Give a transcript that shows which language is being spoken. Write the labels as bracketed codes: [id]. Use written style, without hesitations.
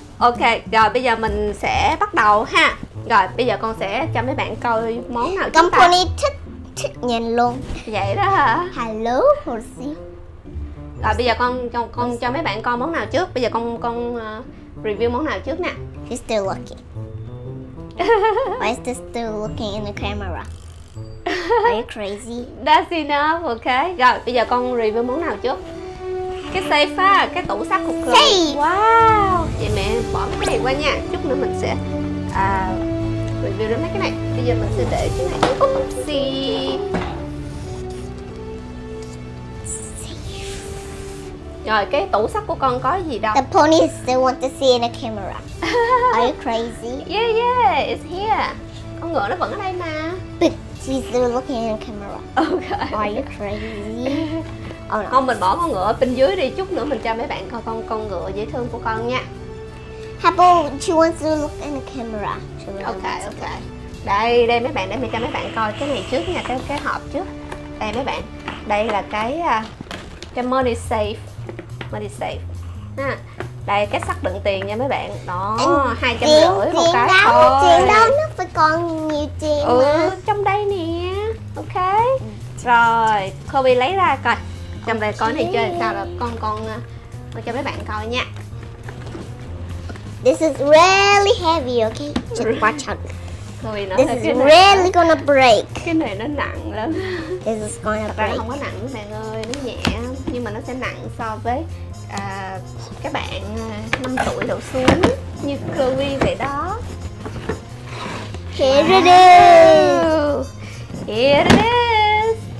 [vi] Ok, rồi bây giờ mình sẽ bắt đầu ha. Rồi, bây giờ con sẽ cho mấy bạn coi món nào chúng ta. Company thích nhìn luôn. Vậy đó hả? [en] Hello, Horsey. [vi] Rồi, bây giờ con cho mấy bạn coi món nào trước. Bây giờ con review món nào trước nè. [en] He's still looking. Why is this still looking in the camera? Are you crazy? That's enough, okay. [vi] Rồi, bây giờ con review món nào trước. Cái safe á, cái tủ sắt của Chloe. Wow. Vậy mẹ bỏ cái này qua nha. Chút nữa mình sẽ review đến mấy cái này. Bây giờ mình sẽ để cái này. Oopsie. Rồi, cái tủ sắt của con có gì đâu? [en] The pony still want to see in the camera. Are you crazy? Yeah, yeah, it's here. [vi] Con ngựa nó vẫn ở đây mà. [en] But she's still looking in the camera. Okay. Are you crazy? [vi] Oh, no. Không, mình bỏ con ngựa bên dưới đi. Chút nữa mình cho mấy bạn coi con ngựa dễ thương của con nha. [en] Hapo, she wants to look in the camera. Okay, okay. [vi] Đây mấy bạn, để mình cho mấy bạn coi cái này trước nha, cái hộp trước. Đây mấy bạn, đây là cái money safe. Money safe. Ha. Đây cái sắt đựng tiền nha mấy bạn. Đó, 250 một cái. Tiền đâu? Tiền đâu? Nó phải còn nhiều tiền mà. Trong đây nè. Ok. Rồi, Chloe lấy ra coi. Trong đây coi này chơi sao rồi. Con cho mấy bạn coi nha. [en] This is really heavy, okay? Just watch out. [vi] Chloe nói [en] this is really gonna break. [vi] Cái này nó nặng lắm. [en] This is gonna break. [vi] Không có nặng mấy bạn ơi, nó nhẹ. Nhưng mà nó sẽ nặng so với các bạn 5 tuổi đổ xuống như Chloe vậy đó. [en] Here it is. Here it is.